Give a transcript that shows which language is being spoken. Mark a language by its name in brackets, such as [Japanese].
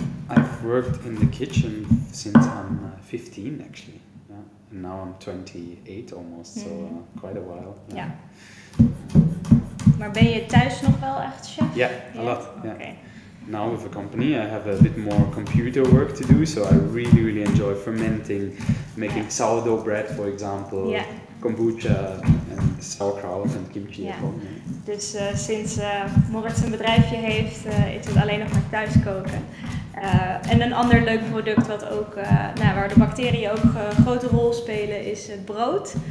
[English] I've worked in the kitchen since I'm 15 actually. Yeah. And now I'm 28 almost, so quite a while. [Dutch] Ja. [English] Yeah. [Dutch] Maar ben je thuis nog wel echt chef? Ja, [English] a lot. Yeah. Okay. Now with a company, I have a bit more computer work to do, so I really, really enjoy fermenting, making sourdough bread, for example, kombucha, and sauerkraut and kimchi. Yeah. [Dutch] Dus sinds Moritz een bedrijfje heeft, is het alleen nog maar thuis koken. En een ander leuk product wat ook, waar de bacteriën ook een grote rol spelen, is brood.